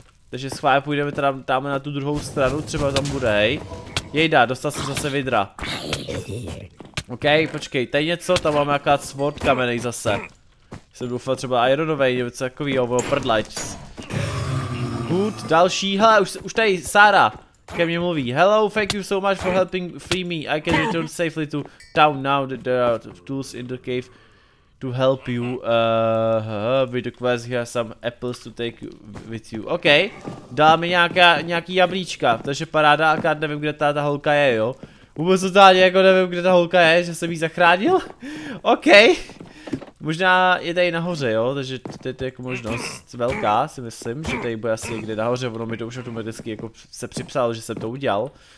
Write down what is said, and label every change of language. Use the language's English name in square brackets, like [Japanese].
[Czech] Takže schválně půjdeme tam na tu druhou stranu, třeba tam bude, hej. Jejda, dostal jsem zase vidra. OK, počkej, tady něco, tam mám nějaká sword kamenej zase. Jsem doufal třeba ironovej, něco takovýho, nebo prdlač. Good, další, hele, už tady Sara ke mně mluví. [English] Hello, thank you so much for helping free me. I can return safely to town now that there are tools in the cave to help you. With the quest here some apples to take with you. [Czech] OK, dala mi nějaký jablíčka, takže paráda, akorát nevím, kde ta holka je, jo. Vůbec totálně jako nevím, kde ta holka je, že jsem jí zachránil. OK. Možná je tady nahoře, jo, takže to je jako možnost velká, si myslím, že tady bude asi někde nahoře, ono mi to už automaticky jako se připsalo, že jsem to udělal.